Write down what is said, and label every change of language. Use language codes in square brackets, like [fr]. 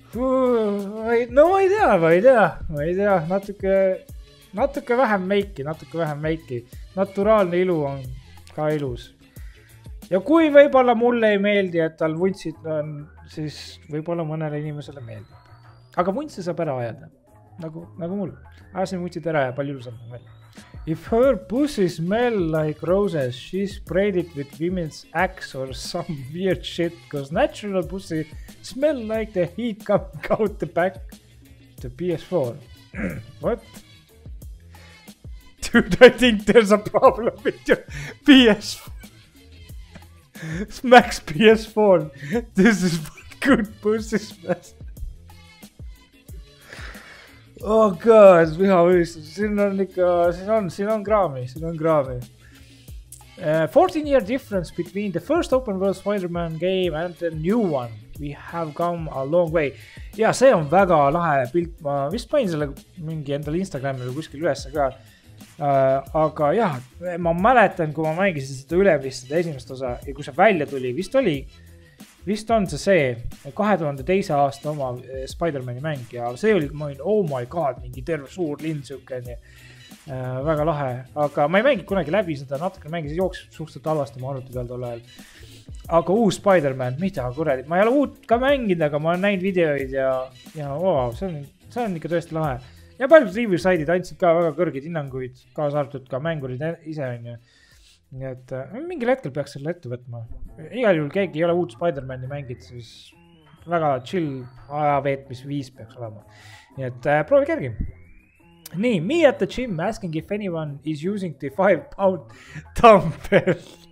[et] Ma ei tea, natuke vähem meiki, naturaalne ilu on ka ilus. Ja kui võibolla mulle ei meeldi, et tal vuntsid on, siis võibolla mõnele inimesele meeldi. Aga vuntsi saab ära ajada, nagu mul. Asin vuntsid ära ja palju ilusam on välja. [en] If her pussy smell like roses, she sprayed it with women's axe or some weird shit, because natural pussy smell like the heat coming out the back the PS4. What? Dude, I think there's a problem with your PS4. Max PS4. This is what good pussy smells. [et] Oh god, viha võistus, siin on kraami. [en] 14-year difference between the first open world Spider-Man game and the new one. We have come a long way. [et] Ja see on väga lahe pilt, ma vist pain selle mingi endal Instagrami või kuskil ülesse ka. Aga jah, ma mäletan, kui ma mängisin seda üle vist seda esimest osa ja kui see välja tuli, vist on see 2002. Aasta oma Spider-Mani mäng ja see oli mõel, [en] oh my god, [et] mingi terve suur lind siukene, väga lahe, aga ma ei mängi kunagi läbi seda, natuke mängi, siis jooks suhteliselt halvasti ma arvuti peal tol ajal, aga uus Spider-Man, mida kuredi, ma ei ole uut ka mänginud, aga ma olen näinud videoid ja wow, see on ikka tõesti lahe ja paljud review siteid andsid ka väga kõrgid hinnanguid, kaas arvatud ka mängurid ise on ju. Nii et mingil hetkel peaks selle ette võtma. Igal juhul keegi ei ole uut Spider-Mani mängid, siis väga chill ajaveetmis viis peaks olema. Nii et proovi kergi. Nii, [en] me at the gym asking if anyone is using the 5-pound dumbbell.